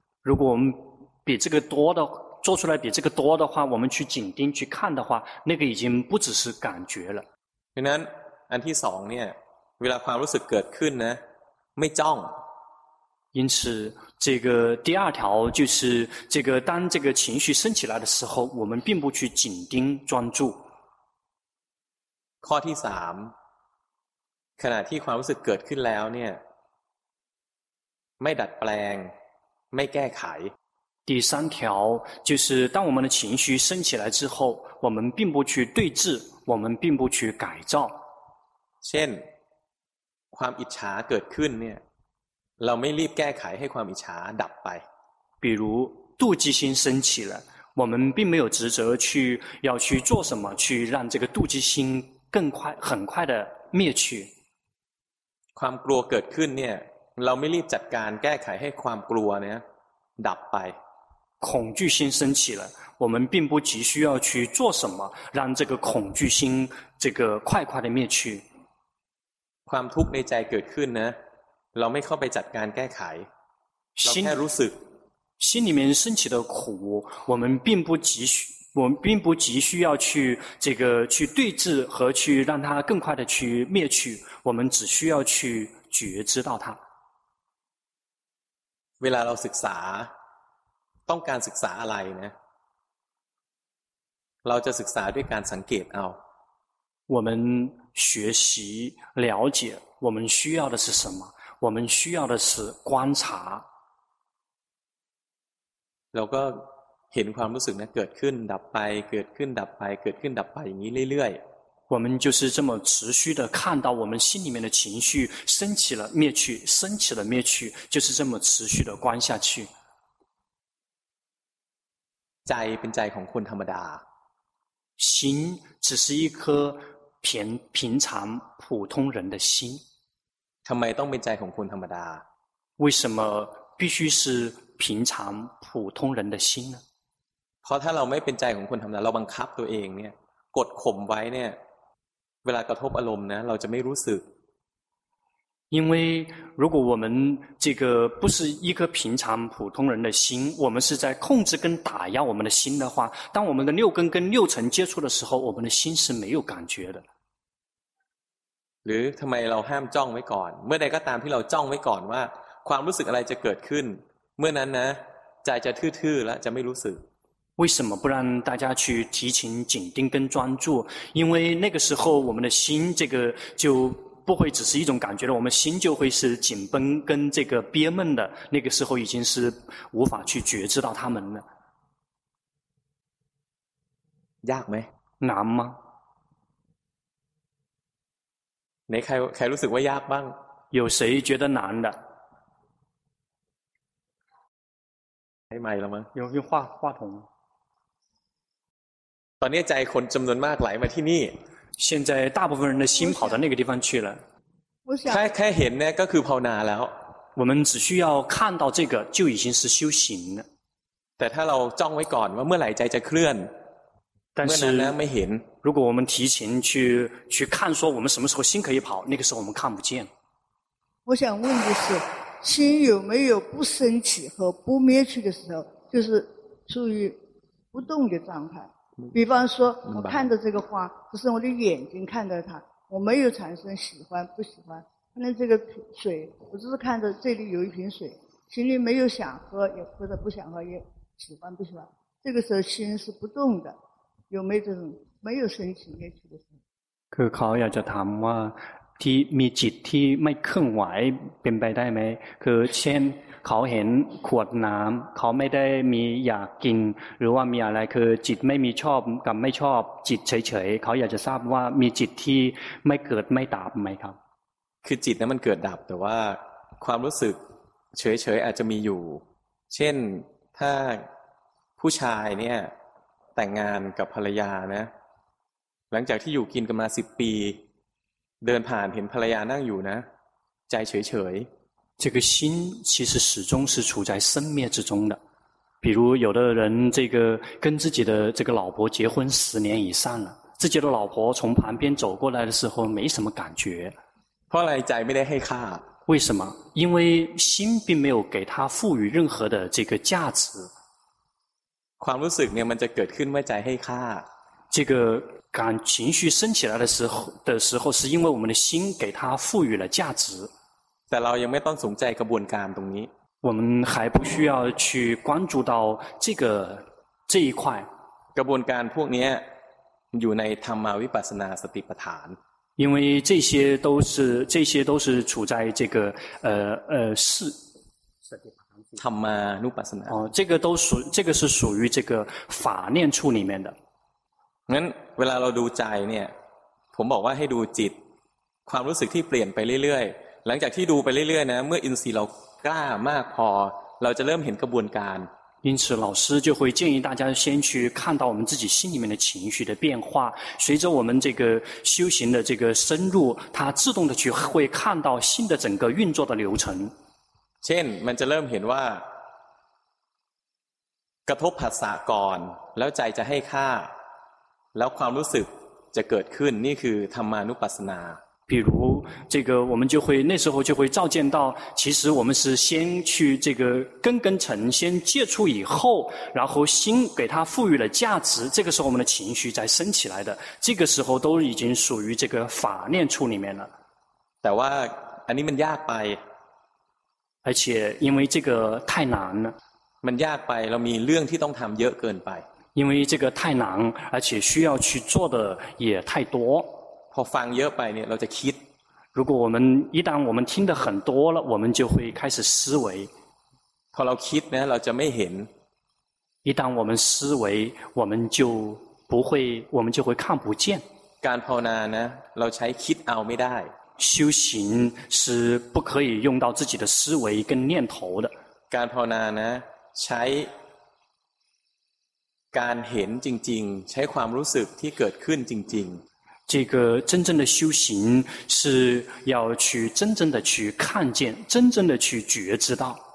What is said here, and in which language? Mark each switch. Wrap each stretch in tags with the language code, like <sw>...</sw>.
<zh>如果我们比这个多的做出来比这个多的话我们去紧盯去看的话那个已经不只是感觉了</zh> <th>ดังนั้นอันที่สองเนี่ยเวลาความรู้สึกเกิดขึ้นนะไม่จ้อง</th> <zh>因此这个第二条就是这个当这个情绪升起来的时候我们并不去紧盯专注</zh> <th>ข้อที่สามขณะที่ความรู้สึกเกิดขึ้นแล้วเนี่ยไม่ดัดแปลงไม่แก้ไข</th> <zh>第三条就是当我们的情绪升起来之后我们并不去对治我们并不去改造</zh> <th>เช่นความอิจฉาเกิดขึ้นเนี่ยเราไม่รีบแก้ไขให้ความอิจฉาดับไป</th> <zh>比如妒忌心升起了我们并没有职责去要去做什么去让这个妒忌心更快很快的灭去</zh> <th>ความกลัวเกิดขึ้นเนี่ยเราไม่รีบจัดการแก้ไขให้ความกลัวเนี่ยดับไป</th> <zh>恐惧心升起了我们并不急需要去做什么让这个恐惧心这个快快的灭去</zh> <th>ความทุกข์ในใจเกิดขึ้นนะเราไม่เข้าไปจัดการแก้ไขเราแค่รู้สึก</th> <zh>心里面升起的苦我们并不急需我们并不急需要去这个去对治和去让它更快的去灭去我们只需要去觉知到它</zh> <th>เวลาเราศึกษาต้องการศึกษาอะไรนะเราจะศึกษาด้วยการสังเกตเอา</th> <zh>我们学习了解我们需要的是什么我们需要的是观察</zh> <th>เราก็เห็นความรู้สึกนะเกิดขึ้นดับไปเกิดขึ้นดับไปเกิดขึ้นดับไปอย่างนี้เรื่อย</th> <zh>ๆ我们就是这么持续的看到我们心里面的情绪升起了灭去升起了灭去就是这么持续的观下去</zh> <th>ใจเป็นใจของคนธรรมดา</th> <zh>心只是一颗平常普通人的心</zh> <th>ทำไมต้องเป็นใจของคนธรรมดา</th> <zh>为什么必须是平常普通人的心呢</zh> <th>เพราะถ้าเราไม่เป็นใจของคนธรรมดาเราบังคับตัวเองเนี่ยกดข่มไว้เนี่ยเวลากระทบอารมณ์นะเราจะไม่รู้สึก</th> <zh>因为如果我们这个不是一颗平常普通人的心，我们是在控制跟打压我们的心的话，当我们的六根跟六尘接触的时候，我们的心是没有感觉的。</zh> <th>หรือทำไมเราห้ามจ้องไว้ก่อนเมื่อใดก็ตามที่เราจ้องไว้ก่อนว่าความรู้สึกอะไรจะเกิดขึ้นเมื่อนั้นนะใจจะทื่อๆและจะไม่รู้สึก</th> <zh>为什么不让大家去提前紧盯跟专注？因为那个时候我们的心这个就不会只是一种感觉了，我们心就会是紧绷跟这个憋闷的，那个时候已经是无法去觉知到他们了。</zh> <th>ยากไ หม？</th> <zh>难吗？</zh> <th>你ใครรู้สึกว่ายากบ้าง？</th> <zh>有谁觉得难的？</zh> <th>ใช้ไมค์แล้วมั้ง？</th> <zh>用话筒。</zh> <th>ตอนนี้ใจคนจำนวนมากไหลมาที่นี่</th> <zh>现在大部分人的心跑到那个地方去了</zh> <th>แค่เห็นเนี่ยก็คือภาวนาแล้ว</th> <zh>我们只需要看到这个就已经是修行了</zh> <th>แต่ถ้าเราจ้องไว้ก่อนว่าเมื่อไหร่ใจจะเคลื่อน เ มื่อนั้นแล้วไม่เห็น</th> <zh>如果我们提前去看说我们什么时候心可以跑那个时候我们看不见我想问的是心有没有不升起和不灭去的时候就是处于不动的状态比方说我看着这个花只是我的眼睛看着它我没有产生喜欢不喜欢看着这个水我只是看着这里有一瓶水心里没有想喝也或者不想喝也喜欢不喜欢这个时候心是不动的有没有这种没有生起灭去的时候</zh> <th>คือเขาอยากจะถามว่าที่มีจิตที่ไม่เคลื่อนไหวเป็นไปได้ไหมคือเช่นเขาเห็นขวดน้ำเขาไม่ได้มีอยากกินหรือว่ามีอะไรคือจิตไม่มีชอบกับไม่ชอบจิตเฉยๆเขาอยากจะทราบว่ามีจิตที่ไม่เกิดไม่ดับไหมครับ คือจิตนั้นมันเกิดดับแต่ว่าความรู้สึกเฉยๆอาจจะมีอยู่เช่นถ้าผู้ชายเนี่ยแต่งงานกับภรรยานะหลังจากที่อยู่กินกันมา10ปีเดินผ่านเห็นภรรยานั่งอยู่นะใจเฉยๆ</th> <zh>这个心其实始终是处在生灭之中的，比如有的人这个跟自己的这个老婆结婚十年以上了，自己的老婆从旁边走过来的时候没什么感觉。后来再没得黑卡。为什么？因为心并没有给他赋予任何的这个价值。</zh> <th>ความรู้สึกเนี่ยมันจะเกิดขึ้นเมื่อใจให้ค่า。</th> <zh>这个感情绪升起来的时候，是因为我们的心给他赋予了价值。</zh> <th>แต่เรายังไม่ต้องสนใจกระบวนการตรงนี้</th> <zh>我们还不需要去关注到这一块</zh> <th>กระบวนการพวกนี้อยู่ในธรรมวิปัสสนาสติปัฏฐาน</th> <zh>因为这些都是处在这个是</zh> <th>ธรรมานุปัสสนา</th> <zh>这个是属于这个法念处里面的</zh> <th>งั้นเวลาเราดูใจเนี่ยผมบอกว่าให้ดูจิตความรู้สึกที่เปลี่ยนไปเรื่อยๆหลังจากที่ดูไปเรื่อยๆนะเมื่ออินทรีย์เรากล้ามากพอเราจะเริ่มเห็นกระบวนการ</th> <zh>因此老师就会建议大家先去看到我们自己心里面的情绪的变化随着我们这个修行的这个深入它自动的去会看到心的整个运作的流程</zh> <th>เช่นมันจะเริ่มเห็นว่ากระทบผัสสะก่อนแล้วใจจะให้ค่าแล้วความรู้สึกจะเกิดขึ้นนี่คือธรรมานุปัสสนา</th> <zh>比如这个我们就会那时候就会照见到其实我们是先去这个根跟尘先接触以后然后心给它赋予了价值这个时候我们的情绪才升起来的这个时候都已经属于这个法念处里面了</zh> <th>แต่ว่าอันนี้มันยากไป</th> <zh>而且因为这个太难了</zh> <th>มันยากไปเรามีเรื่องที่ต้องทำเยอะเกินไป</th> <zh>因为这个太难而且需要去做的也太多</zh> <th>พอฟังเยอะไปเนี่ยเราจะคิด</th> <zh>如果我们一旦我们听得很多了我们就会开始思维</zh> <th>พอเราคิดเนี่ยเราจะไม่เห็น</th> <zh>一旦我们思维我们就会看不见</zh> <th>การภาวนานะเราใช้คิดเอาไม่ได้</th> <zh>修行是不可以用到自己的思维跟念头的</zh> <th>การภาวนานะใช้การเห็นจริงๆใช้ความรู้สึกที่เกิดขึ้นจริงๆ</th> <zh>这个真正的修行是要去真正的去看见真正的去觉知到</zh>